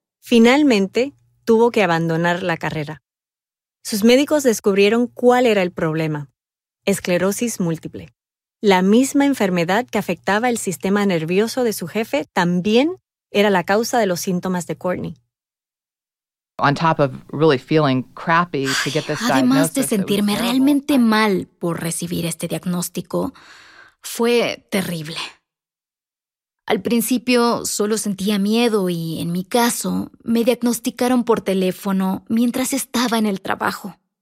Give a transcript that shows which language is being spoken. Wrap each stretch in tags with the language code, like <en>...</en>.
<es>Finalmente, tuvo que abandonar la carrera. Sus médicos descubrieron cuál era el problema: esclerosis múltiple. La misma enfermedad que afectaba el sistema nervioso de su jefe también era la causa de los síntomas de Courtney.</es> <en>On top of really feeling crappy to get this diagnosis.</en> <es>Además de sentirme realmente mal por recibir este diagnóstico, fue terrible. Al principio solo sentía miedo y, en mi caso, me diagnosticaron por teléfono mientras estaba en el trabajo.</es>